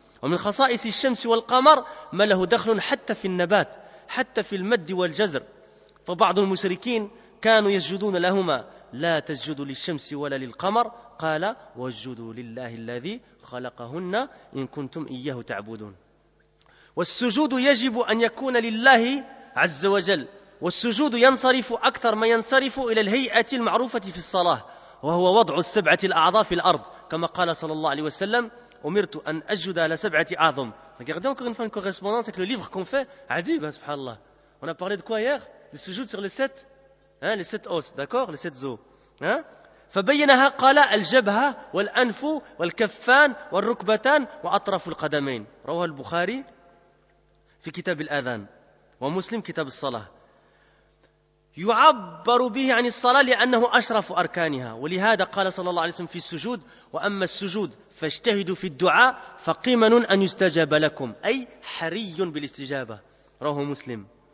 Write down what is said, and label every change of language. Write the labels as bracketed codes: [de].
[ar] ومن خصائص الشمس والقمر ما له دخل حتى في النبات حتى في المد والجزر فبعض المشركين كانوا يسجدون لهما لا تسجدوا للشمس ولا للقمر قال واسجدوا لله الذي خلقهن إن كنتم إياه تعبدون والسجود يجب أن يكون لله عز وجل والسجود ينصرف أكثر ما ينصرف إلى الهيئة المعروفة في الصلاة وهو وضع السبعة الأعضاء في الأرض كما قال صلى الله عليه وسلم أمرت أن أسجد على سبعة أعظم. [fr] Regardez encore une fois une correspondance avec le livre qu'on fait. Adib, subhanallah. On a parlé de quoi hier? Du sujoud sur les sept, hein, les sept os, d'accord, les sept os. Hein? [ar] فبينها قال الجبهة والأنف والكفان والركبتان وأطراف القدمين. رواه البخاري في كتاب الأذان ومسلم كتاب الصلاة. يعبر به عن الصلاة لأنه أشرف أركانها ولهذا قال صلى الله عليه وسلم في السجود وأما السجود فاجتهدوا في الدعاء فقيمن أن يستجاب لكم أي حري بالاستجابة رواه مسلم